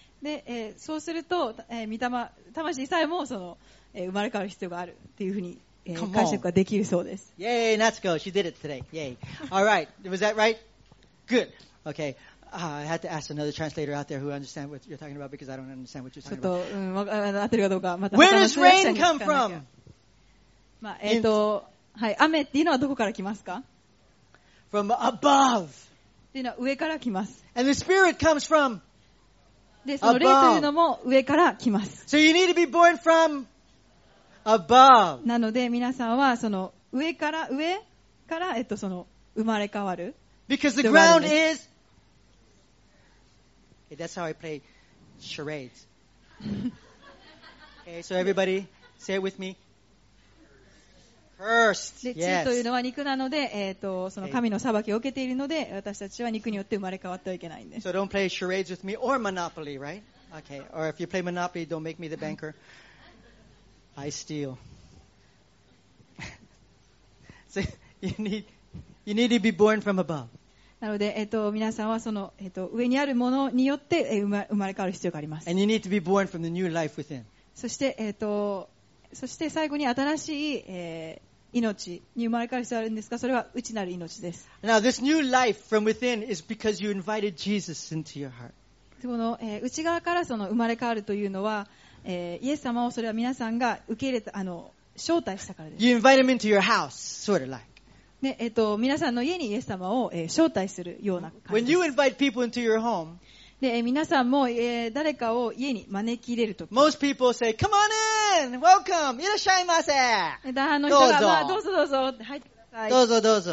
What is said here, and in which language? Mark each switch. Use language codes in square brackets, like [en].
[ja] で、そうすると、魂さえも、その、生まれ変わる必要があるっていうふうに、解釈ができるそうです。 [en] Yay, let's go. She did it today. Yay. All right. Was that right? Good. Okay. I had to ask another translator out there who understands what you're talking about because I don't understand what you're talking about. [ja] ちょっと、合ってるかどうか、また。 [en] Where does rain come from? [ja] まあ、はい。雨っていうのはどこから来ますか [en] ?From above. [ja] っていうのは上から来ます。 [en] And the spirit comes from above. [ja] で、その霊というのも上から来ます。 [en] So you need to be born from Above. [ja] なので皆さんはその上から、その生まれ変わる。 [en] Because the ground is. Okay, that's how I play charades. Okay, so everybody, say it with me. Cursed. [ja] で、地というのは肉なので、その神の裁きを受けているので、私たちは肉によって生まれ変わってはいけないんです。 [en] So don't play charades with me or Monopoly, right? Okay, or if you play Monopoly, don't make me the banker. I steal. So you need to be born from above. [ja] なので、皆さんはその、上にあるものによって生まれ変わる必要があります。 [en] And you need to be born from the new life within. [ja] そして最後に新しい、命に生まれ変わる必要があるんですが、それは内なる命です。 [en] Now this new life from within is because you invited Jesus into your heart. [ja] この、内側からその生まれ変わるというのは、イエス様をそれは皆さんが受け入れた、招待したからです。 [en] You invite him into your house, sort of like. [ja] ね、皆さんの家にイエス様を、招待するような感じです。 [en] When you invite people into your home, [ja] で、皆さんも、誰かを家に招き入れるとき、 [en] Most people say, come on in! Welcome! [ja] いらっしゃいませ！大半の人が、どうぞどうぞ、入ってください。どうぞどうぞ。